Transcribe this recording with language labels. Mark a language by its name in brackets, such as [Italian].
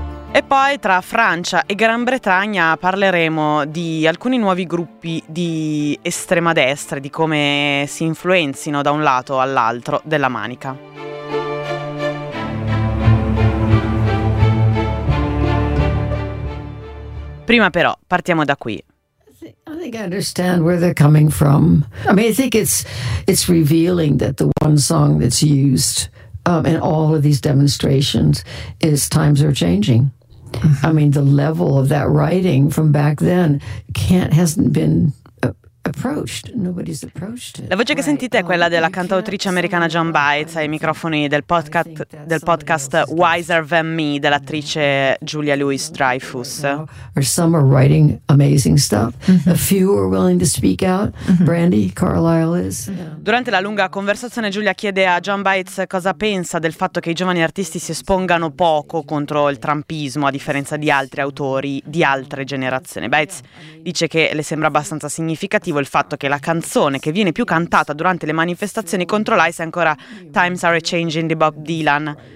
[Italian] E poi tra Francia e Gran Bretagna parleremo di alcuni nuovi gruppi di estrema destra, di come si influenzino da un lato all'altro della Manica. Prima però partiamo da qui. [English] I think I understand where they're coming from. I mean, I think it's revealing that the one song that's used in all of these demonstrations is Times Are Changing. I mean, the level of that writing from back then hasn't been approached. Nobody's approached it. [Italian] La voce che sentite è quella della cantautrice americana Joan Baez ai microfoni del podcast Wiser Than Me dell'attrice Julia Louis-Dreyfus. [English] Or some are writing amazing stuff. A few are willing to speak out. Brandy Carlisle is. [Italian] Durante la lunga conversazione Julia chiede a Joan Baez cosa pensa del fatto che i giovani artisti si espongano poco contro il trumpismo a differenza di altri autori di altre generazioni. Baez dice che le sembra abbastanza significativo il fatto che la canzone che viene più cantata durante le manifestazioni contro l'ICE è ancora Times Are Changing di Bob Dylan.